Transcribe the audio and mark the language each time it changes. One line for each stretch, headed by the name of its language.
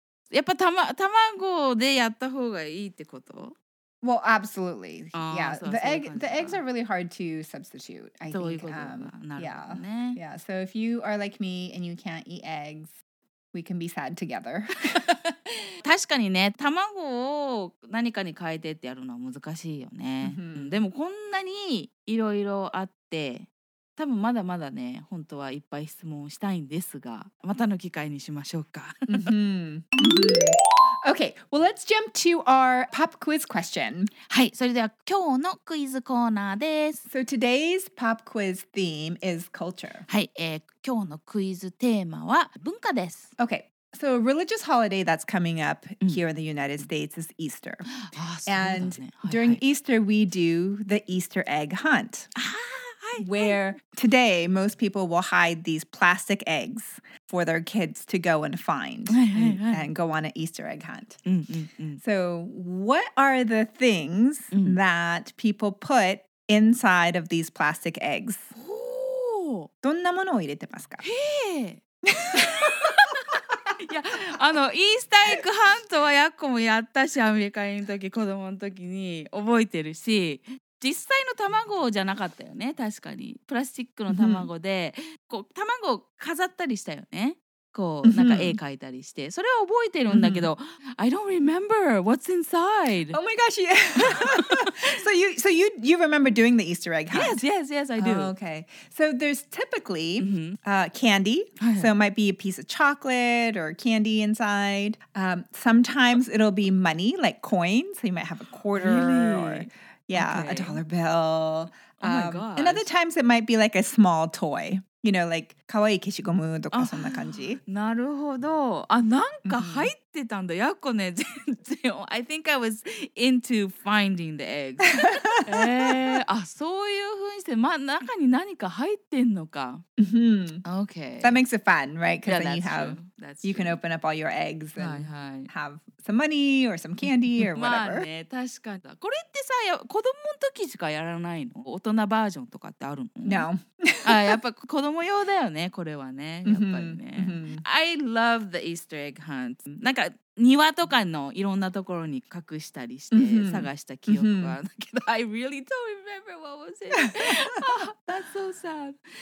Japanese: やっぱ卵でやった方がいいってこと？
English: Well, absolutely. Yeah, the eggs are really hard to substitute. I think.
Japanese: なるほどね。
English: So if you are like me and you can't eat eggs, we can be sad together.
Japanese: 確かにね、卵を何かに変えてってやるのは難しいよね。 Mm-hmm. でもこんなにいろいろあって、多分まだまだね、本当はいっぱい質問したいんですが、またの機会にしましょうか。 mm-hmm.
English: Okay, well let's jump to our pop quiz question.
Japanese: はい、それでは今日のクイズコーナーです。
English: So today's pop quiz theme is culture.
Japanese: はい、今日のクイズテーマは文化です。
English: Okay. So a religious holiday that's coming up here in the United States is Easter. And during Easter, we do the Easter egg hunt. Where today, most people will hide these plastic eggs for their kids to go and find and go on an Easter egg hunt. So what are the things that people put inside of these plastic eggs?
Japanese: どんなものを入れてますか? いや、あのイースターエッグハントはヤッコもやったし、アメリカにいる時、子供の時に覚えてるし、実際の卵じゃなかったよね、確かに。プラスチックの卵で、こう卵を飾ったりしたよね。こうなんか絵描いたりして、それは覚えてるんだけど、
English: I don't remember what's inside. Oh my gosh! So you remember doing the Easter egg hunt? Yes, I do. Oh, okay. So there's typically candy. So it might be a piece of chocolate or candy inside. Sometimes it'll be money, like coins. So you might have a quarter or a dollar bill. Oh my god. And other times it might be like a small toy. You know, like kawaii keshigomu
Japanese: とかそんな感じ。なるほど。あ、なんか入ってたんだ。やっこね、全然。
English: I think I was into finding the eggs.
Japanese: あ、そういうふうにして、ま、中に何か入ってんのか。
English: Okay. That makes it fun, right? Because then you can open up all your eggs and have some money or some candy or whatever.
Japanese: まあね、確かに。これってさ、子供の時しかやらないの？大人バージョンとかってあるの？
English: No.
Japanese: あ、やっぱ子供用だよね。これはね、やっぱりね。
English: I love the Easter egg hunt.
Japanese: なんか庭とかのいろんなところに隠したりして探した記憶があるんだけど、
English: I really don't remember what was it. That's so sad.